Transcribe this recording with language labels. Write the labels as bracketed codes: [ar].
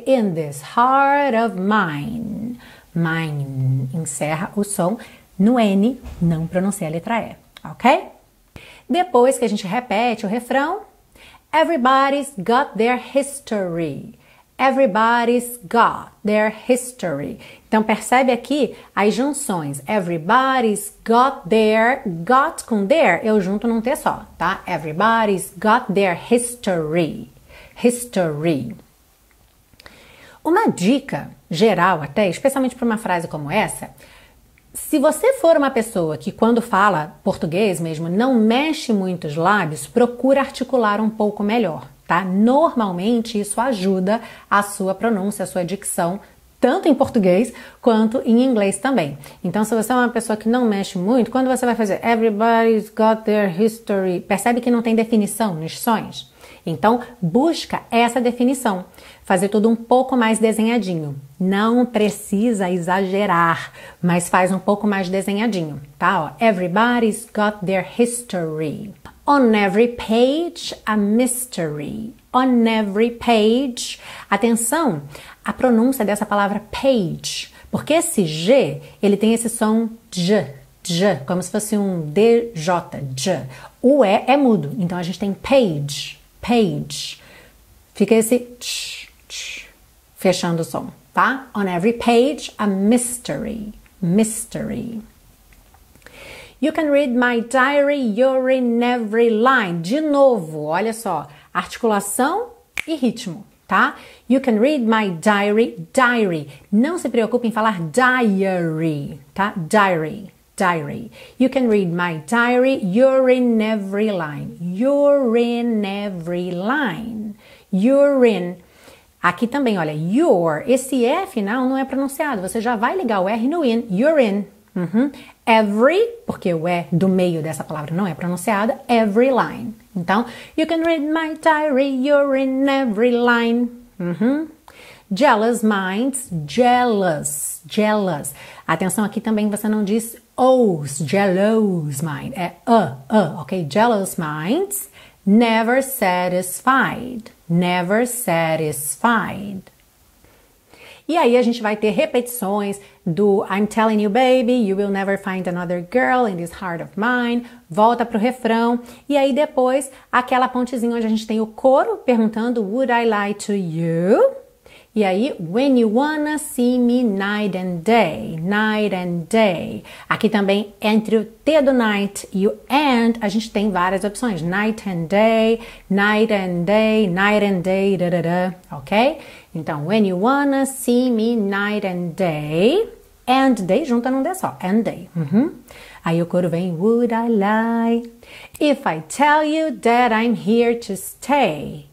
[en] In this heart of mine, mine, [pt] encerra o som no N, não pronuncia a letra E, ok? Depois que a gente repete o refrão, [en] everybody's got their history, everybody's got their history. [pt] Então percebe aqui as junções. [en] Everybody's got their, got [pt] com their, eu junto num T só, tá? [en] Everybody's got their history. History. [pt] Uma dica geral até, especialmente para uma frase como essa, se você for uma pessoa que quando fala português mesmo não mexe muito os lábios, procura articular um pouco melhor. Tá? Normalmente isso ajuda a sua pronúncia, a sua dicção, tanto em português quanto em inglês também. Então, se você é uma pessoa que não mexe muito, quando você vai fazer [en] everybody's got their history, [pt] percebe que não tem definição nos sons? Então, busca essa definição, fazer tudo um pouco mais desenhadinho. Não precisa exagerar, mas faz um pouco mais desenhadinho, tá? [en] Ó, everybody's got their history. On every page, a mystery. On every page. [pt] Atenção à pronúncia dessa palavra page. Porque esse G, ele tem esse som J, J. Como se fosse um DJ, J. O E é mudo. Então, a gente tem page, page. Fica esse tch, tch, fechando o som, tá? [en] On every page, a mystery, mystery. You can read my diary, you're in every line. [pt] De novo, olha só, articulação e ritmo, tá? [en] You can read my diary, diary. [pt] Não se preocupe em falar diary, tá? [en] Diary, diary. You can read my diary, you're in every line. You're in every line. You're in. [pt] Aqui também, olha, you're. Esse E final não é pronunciado, você já vai ligar o R no in. [en] You're in. [pt] Uhum. Every, porque o E do meio dessa palavra não é pronunciada, [en] every line. Então, you can read my diary, you're in every line. Uhum. Jealous minds, jealous, jealous. [pt] Atenção aqui também, você não diz os, [en] jealous mind. [pt] É ok? [en] Jealous minds, never satisfied, never satisfied. [pt] E aí a gente vai ter repetições do [en] I'm telling you, baby, you will never find another girl in this heart of mine. [pt] Volta pro refrão. E aí depois, aquela pontezinha onde a gente tem o coro perguntando [en] would I lie to you? E aí, when you wanna see me night and day, night and day. [pt] Aqui também, entre o T do night e o and, a gente tem várias opções. [en] Night and day, night and day, night and day, da, da, da, ok? Então, when you wanna see me night and day, and day [pt] junta num D só, [en] and day. Uhum. [pt] Aí o coro vem, [en] would I lie? If I tell you that I'm here to stay.